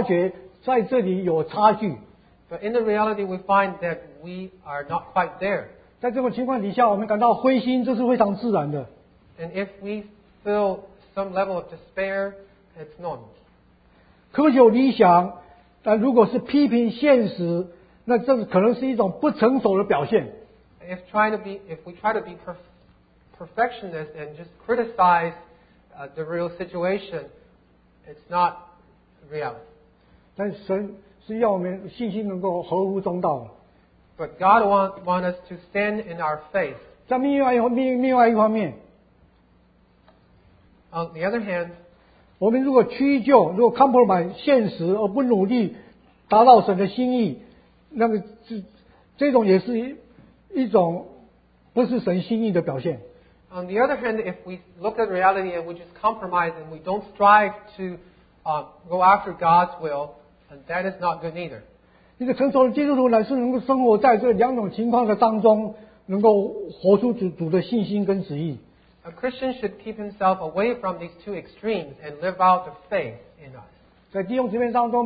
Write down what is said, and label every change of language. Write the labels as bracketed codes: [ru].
[zh] 但是在实际的光景里头，你会发觉在这里有差距。 [en] But in the reality, we find that we are not quite there. [zh] 在这种情况底下，我们感到灰心，这是非常自然的。 [en] And if we feel some level of despair, it's normal. [zh] 苛求理想，但如果是批评现实，那这可能是一种不成熟的表现。 [en] If we try to be perfectionist and just criticize the real situation, it's not reality. [zh] 但神是要我们信心能够合乎中道。 [en] But God want us to stand in our faith. [zh] 在另外一方面, [en] on the other hand, [zh] 我们如果屈就，如果 compromise 现实而不努力达到神的心意，那么这种也是一种不是神心意的表现。 [en] On the other hand, if we look at reality and we just compromise and we don't strive to go after God's will, and that is not good either. [zh] 一个成熟的基督徒乃是能够生活在这两种情况的当中，能够活出主的信心跟旨意。A [en] Christian should keep himself away from these two extremes and live out the faith in us.